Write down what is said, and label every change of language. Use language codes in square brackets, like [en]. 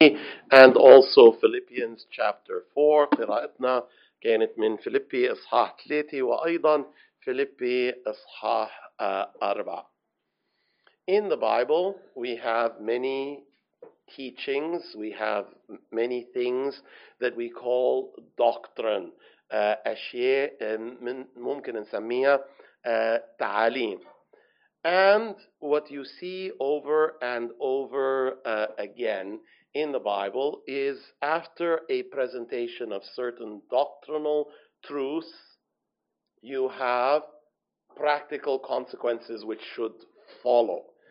[en] And also Philippians chapter 4 [ar] قراءتنا كانت من فيليبي إصحاح 3 وأيضا فيليبي إصحاح 4. [en] In the Bible, we have many teachings, we have many things that we call doctrine. [ar] أشياء ممكن نسميها تعاليم. [en] And what you see over and over again in the Bible is after a presentation of certain doctrinal truths, you have practical consequences which should follow.